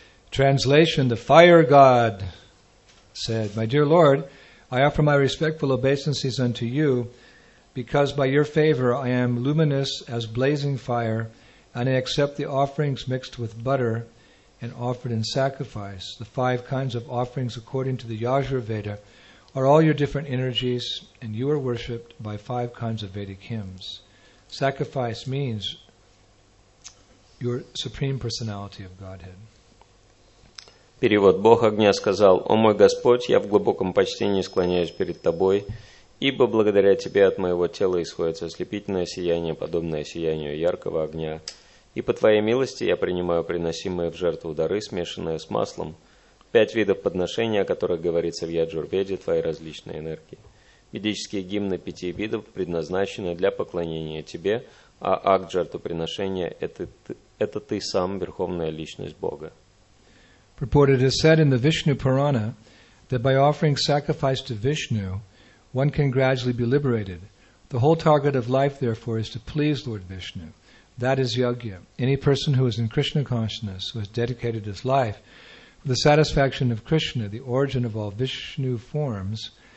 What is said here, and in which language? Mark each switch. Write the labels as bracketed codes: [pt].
[en] Translation, the fire god said, my dear Lord, I offer my respectful obeisances unto you, because by your favor I am luminous as blazing fire, and I accept the offerings mixed with butter and offered in sacrifice. The five kinds of offerings according to the Yajurveda are all your different energies, and you are worshipped by five kinds of Vedic hymns. Sacrifice means your supreme personality of Godhead. [ru] Перевод. Бог огня сказал: «О мой Господь, я в глубоком почтении склоняюсь перед Тобой, ибо благодаря Тебе от моего тела исходит ослепительное сияние, подобное сиянию яркого огня. И по Твоей милости я принимаю приносимые в жертву дары, смешанные с маслом, пять видов подношения, о которых говорится в Яджурведе, Твои различные энергии. Ведические гимны пяти видов предназначены для поклонения Тебе, а акт жертвоприношения – это ты сам, Верховная Личность Бога». [en] Purported is said in the Vishnu Purana that by offering sacrifice to Vishnu, one can gradually be liberated. The whole target of life, therefore, is to please Lord Vishnu. That is yajna. Any person who is in Krishna consciousness, who has dedicated his life for the satisfaction of Krishna, the origin of all Vishnu forms,